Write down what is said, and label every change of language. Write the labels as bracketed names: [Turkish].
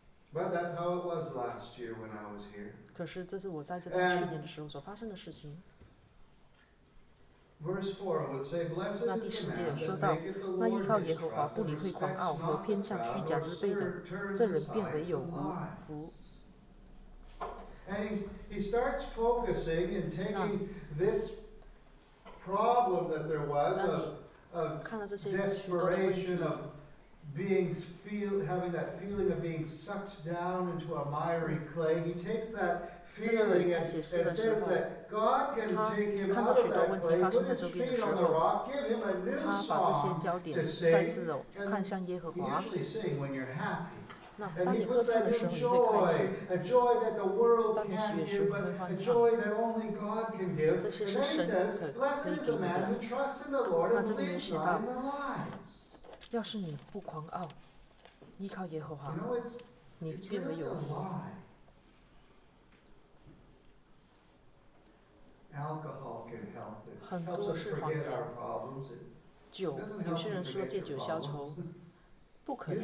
[English] But that's how it was last year when I was here. [Chinese] 可是这是我在这边去年的时候所发生的事情。 [English] Verse 4 would say, "Blessed." [Chinese] 那第十节有说到，那依靠耶和华不理会狂傲和偏向虚假之辈的，这人变为有福。 [English] And he starts focusing and taking this problem that there was of desperation of having that feeling of being sucked down into a miry clay, he takes that feeling and says that God can take him out of that clay, put his feet on the rock, give him a new song to sing. And he usually sings when you're happy. And he puts that in joy, a joy that the world can't give, but a joy that only God can give. And then he says, blessed is the man who trusts in the Lord and believes not in the lies. [Chinese] 要是你不狂傲，依靠耶和华，你便没有罪。 [English] Alcohol can help it. [Chinese] 很多是缓解。酒，有些人说借酒消愁，不可能。